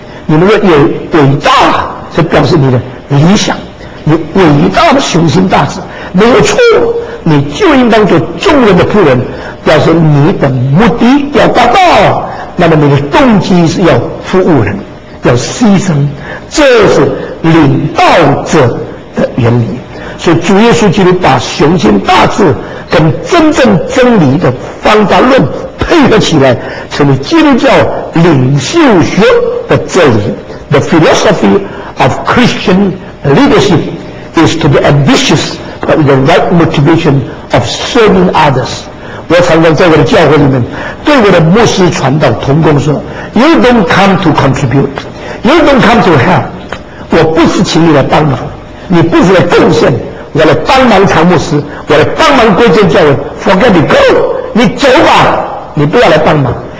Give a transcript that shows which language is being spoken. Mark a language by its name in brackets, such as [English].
[Chinese] 你们若有伟大，这表示你的理想，你伟大的雄心大志没有错，你就应当做众人的仆人，表示你的目的要达到，那么你的动机是要服务人，要牺牲，这是领导者的原理。所以主耶稣基督把雄心大志跟真正真理的方法论配合起来，成为基督教领袖学的真理。 [English] The philosophy of Christian leadership is to be ambitious but the right motivation of serving others。 [Chinese] 我常常在我的教会里面对我的牧师传道同工说， [English] You don't come to contribute, You don't come to help。 [Chinese] 我不是请你来帮忙，你不是来贡献，我来帮忙常牧师，我来帮忙归正教人， [English] Forget it, go, [Chinese] 你走吧，你不要来帮忙。